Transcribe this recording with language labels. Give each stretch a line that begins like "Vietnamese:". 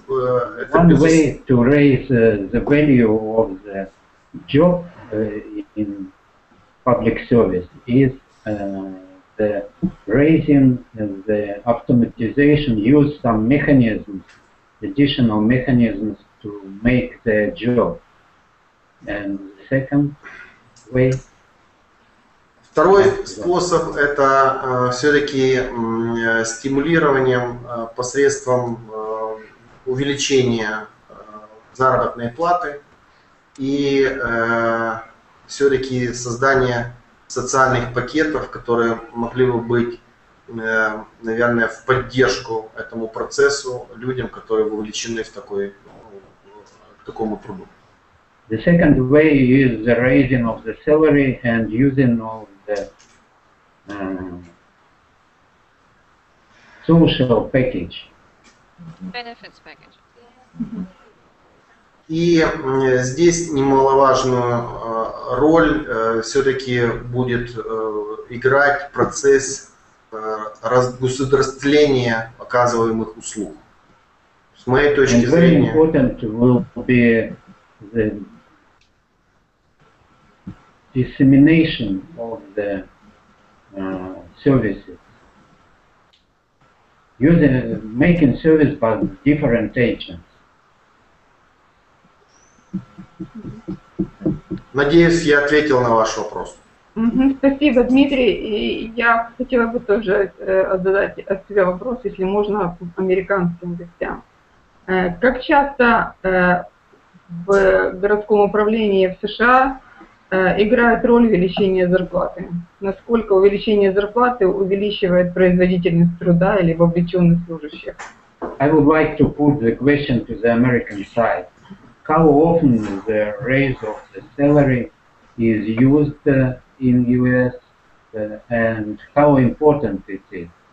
English: way to raise the value of the job in public service is the raising the automatization, use some mechanisms, additional mechanisms to make the job. And second way...
Russian: Второй способ – это все-таки стимулированием посредством увеличения заработной платы и все-таки создание социальных пакетов, которые могли бы быть, наверное, в поддержку этому процессу людям, которые вовлечены в такому труду.
English: The second way is the raising of the salary and using all the social package. Benefits package.
Russian: И здесь немаловажную роль все-таки будет играть процесс разгосударствления оказываемых услуг. С моей точки
English: and
Russian: зрения...
English: Very important will be the dissemination of the services. using making service by different agents.
Russian: Надеюсь, я ответил на ваш вопрос. Спасибо, Дмитрий. И я хотела бы тоже задать от себя вопрос, если можно, американским гостям. Как часто в городском управлении в США играет роль увеличение зарплаты? Насколько увеличение зарплаты увеличивает производительность труда или вовлеченность служащих?
English: I would like to put the question to the American side. How often the raise of the salary is used in US and how important it is?